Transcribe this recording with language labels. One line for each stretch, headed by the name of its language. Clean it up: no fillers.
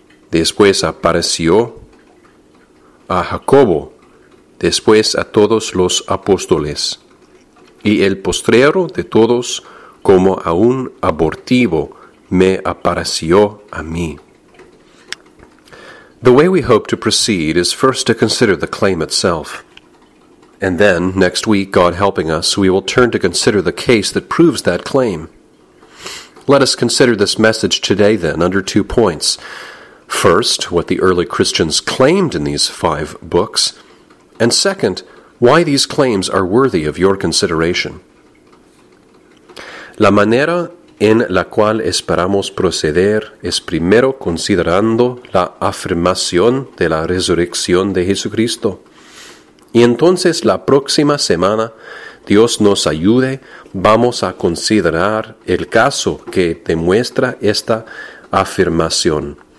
Spanish: Después apareció a Jacobo, después a todos los apóstoles, y el postrero de todos, como a un abortivo, me apareció a mí.
English: The way we hope to proceed is first to consider the claim itself. And then, next week, God helping us, we will turn to consider the case that proves that claim. Let us consider this message today, then, under two points. First, what the early Christians claimed in these five books. And second, why these claims are worthy of your consideration.
Spanish: La manera en la cual esperamos proceder es primero considerando la afirmación de la resurrección de Jesucristo. Y entonces la próxima semana, Dios nos ayude, vamos a considerar el caso que demuestra esta afirmación.